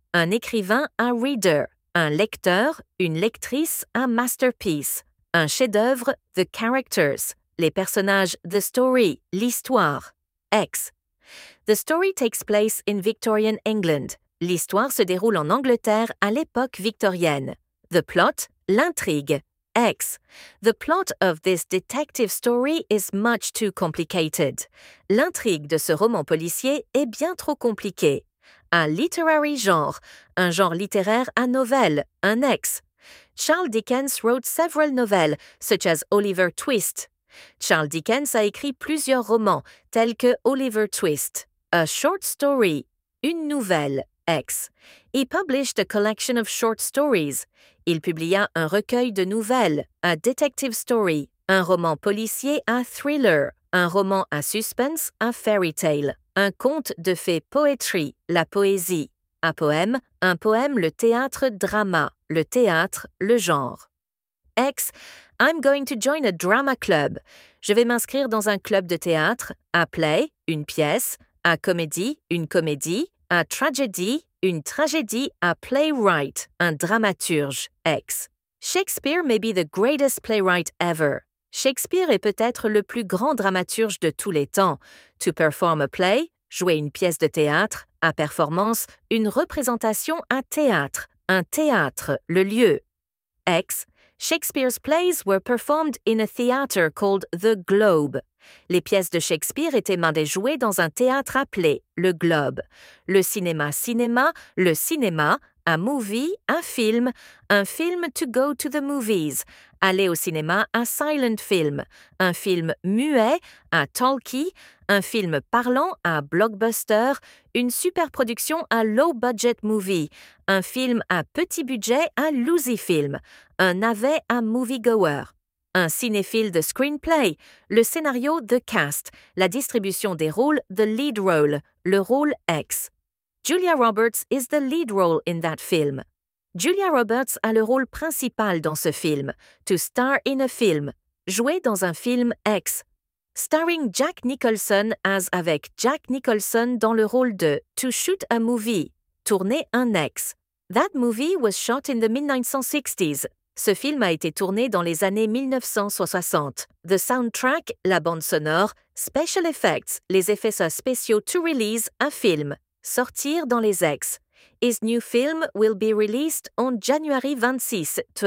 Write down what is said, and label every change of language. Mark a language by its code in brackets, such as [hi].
[fr] Un écrivain, un reader. Un lecteur, une lectrice, un masterpiece. Un chef-d'œuvre, [en] the characters. [fr] Les personnages, [en] the story, [fr] l'histoire. X. [en] The story takes place in Victorian England. [fr] L'histoire se déroule en Angleterre à l'époque victorienne. [en] The plot, l'intrigue. X. The plot of this detective story is much too complicated. [fr] L'intrigue de ce roman policier est bien trop compliquée. [en] A literary genre, [fr] un genre littéraire à novelle, un X. [en] Charles Dickens wrote several novels, such as Oliver Twist. [fr] Charles Dickens a écrit plusieurs romans, tels que Oliver Twist. [en] A short story, une nouvelle, X. He published a collection of short stories. [fr] Il publia un recueil de nouvelles, [en] a detective story, [fr] un roman policier, a thriller, un roman à suspense, [en] a fairy tale, [fr] un conte de fées, poetry, la poésie, un poème, le théâtre, drama, le théâtre, le genre. [en] X, I'm going to join a drama club. [fr] Je vais m'inscrire dans un club de théâtre, [en] a play, [fr] une pièce, [en] a comedy, [fr] une comédie, [en] a tragedy, [fr] une tragédie, [en] a playwright, [fr] un dramaturge, X. [en] Shakespeare may be the greatest playwright ever. [fr] Shakespeare est peut-être le plus grand dramaturge de tous les temps. [en] To perform a play, [fr] jouer une pièce de théâtre, à performance, une représentation, un théâtre, le lieu. X. [en] Shakespeare's plays were performed in a theater called The Globe. [fr] Les pièces de Shakespeare étaient mandées jouer dans un théâtre appelé Le Globe. Le cinéma, cinéma, le cinéma, [en] a movie, [fr] un film [en] to go to the movies, [fr] aller au cinéma, [en] a silent film, [fr] un film muet, a talkie, un film parlant, a blockbuster, une superproduction, [en] a low budget movie, [fr] un film à petit budget, [en] a lousy film, [fr] un navet, a moviegoer. Un cinéphile de screenplay, le scénario, [en] the cast, [fr] la distribution des rôles, [en] the lead role, [fr] le rôle X. [en] Julia Roberts is the lead role in that film. [fr] Julia Roberts a le rôle principal dans ce film, [en] to star in a film, [fr] jouer dans un film X. [en] Starring Jack Nicholson as [fr] avec Jack Nicholson dans le rôle de [en] to shoot a movie, [fr] tourner un X. [en] That movie was shot in the mid-1960s. [fr] Ce film a été tourné dans les années 1960. [en] The soundtrack, [fr] la bande sonore, [en] special effects, [fr] les effets spéciaux [en] to release a film, [fr] sortir dans les ex. [en] His new film will be released on January 26.